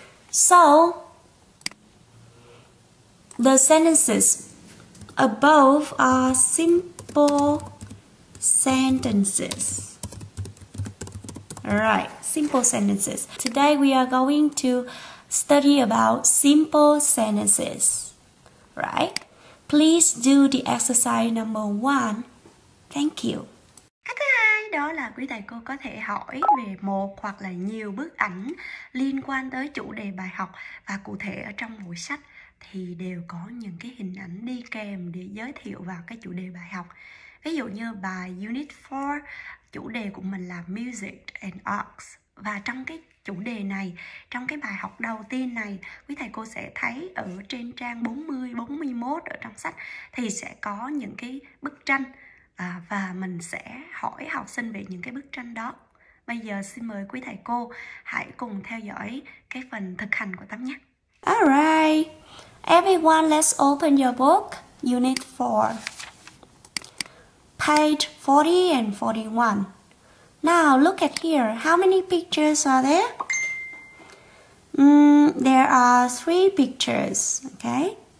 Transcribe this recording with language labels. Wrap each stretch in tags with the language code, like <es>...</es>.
<en>So, the sentences above are simple sentences. Alright, simple sentences. Today we are going to study about simple sentences, right? Please do the exercise number one. Thank you.</en> <vi>Cách thứ hai đó là quý thầy cô có thể hỏi về một hoặc là nhiều bức ảnh liên quan tới chủ đề bài học, và cụ thể ở trong mỗi sách thì đều có những cái hình ảnh đi kèm để giới thiệu vào cái chủ đề bài học. Ví dụ như bài Unit 4, chủ đề của mình là Music and Arts. Và trong cái chủ đề này, trong cái bài học đầu tiên này, quý thầy cô sẽ thấy ở trên trang 40-41 ở trong sách thì sẽ có những cái bức tranh, và mình sẽ hỏi học sinh về những cái bức tranh đó. Bây giờ xin mời quý thầy cô hãy cùng theo dõi cái phần thực hành của tập nhé.</vi> <en>Alright, everyone, let's open your book, Unit 4, page 40 and 41. Now, look at here. How many pictures are there? There are 3 pictures, okay?</en>